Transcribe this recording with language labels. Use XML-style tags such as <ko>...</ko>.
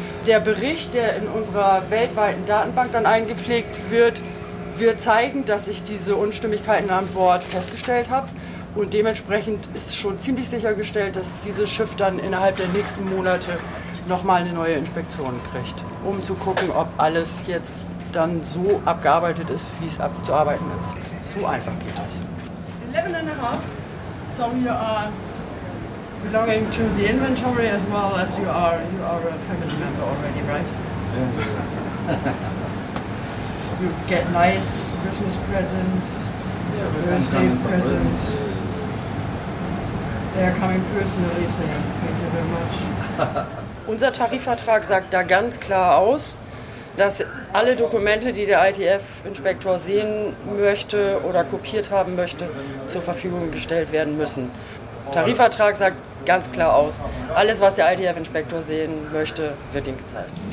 <de>Der Bericht, der in unserer weltweiten Datenbank dann eingepflegt wird, wird zeigen, dass ich diese Unstimmigkeiten an Bord festgestellt habe. Und dementsprechend ist schon ziemlich sichergestellt, dass dieses Schiff dann innerhalb der nächsten Monate nochmal eine neue Inspektion kriegt, um zu gucken, ob alles jetzt dann so abgearbeitet ist, wie es abzuarbeiten ist. So einfach geht das.</de> <en>11 and a half. So you are belonging to the inventory as well as you are a family member already, right? Yeah. You get nice Christmas presents, yeah, birthday presents. They are coming personally saying thank you very much.</en> <de>Unser Tarifvertrag sagt da ganz klar aus, dass alle Dokumente, die der ITF-Inspektor sehen möchte oder kopiert haben möchte, zur Verfügung gestellt werden müssen. Tarifvertrag sagt ganz klar aus, alles, was der ITF-Inspektor sehen möchte, wird ihm gezeigt.</de>